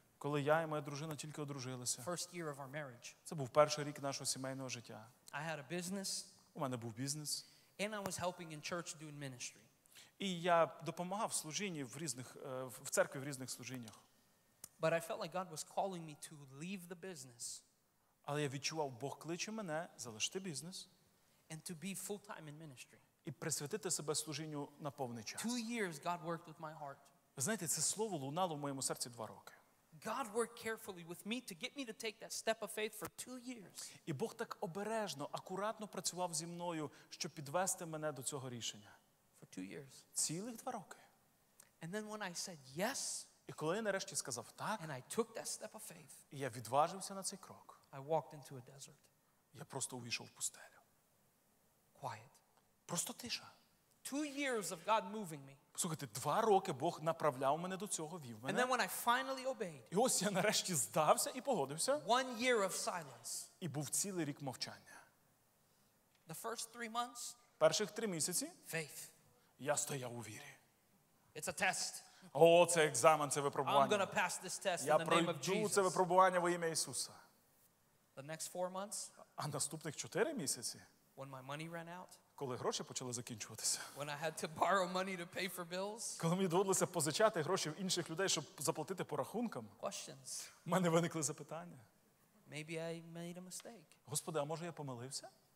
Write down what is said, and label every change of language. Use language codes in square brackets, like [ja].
[uk] коли я і моя дружина тільки одружилися, [en] first year of our marriage, [uk] це був перший рік нашого сімейного життя. [en] I had a business, [uk] у мене був бізнес, [en] and I was helping in church doing ministry. [uk] І я допомагав служінні в різних в церкві в різних служіннях. [en] But I felt like God was calling me to leave the business. [uk] Але я відчував, Бог кличе мене залишити бізнес. [en] And to be full-time in ministry. [uk] І присвятити себе служінню на повний час. [en] 2 years God worked with my heart. [uk] Знаєте, це слово лунало в моєму серці 2 роки. [en] God worked carefully with me to get me to take that step of faith for 2 years. [uk] І Бог так обережно, акуратно працював зі мною, щоб підвести мене до цього рішення. [en] For 2 years. [uk] Цілих 2 роки. [en] And then when I said yes, [uk] і коли я нарешті сказав так, [en] and I took that step of faith, [uk] і я відважився на цей крок, [en] I walked into a desert. [uk] Я просто увійшов в пустелю. [en] Quiet. [uk] Просто тиша. [en] 2 years of God moving me. [uk] Слухайте, 2 роки Бог направляв мене до цього, вів мене. [en] And then when I finally obeyed, [uk] і ось я нарешті здався і погодився. [en] 1 year of silence. [uk] І був цілий рік мовчання. [en] The first 3 months, [uk] перших 3 місяці, [en] faith. [uk] Я стояв у вірі. [en] It's a test. [uk] О, це екзамен, це випробування. Я пройду це випробування во ім'я Ісуса. [en] The next 4 months, [uk] а наступних 4 місяці, [en] when my money ran out, [uk] коли гроші почали закінчуватися, [en] when I had to borrow money to pay for bills, [uk] коли мені доводилося позичати гроші в інших людей, щоб заплатити по рахункам, [en] questions. [uk] В мене виникли запитання. [en] Maybe I made a mistake. [uk] Господи, а може я помилився?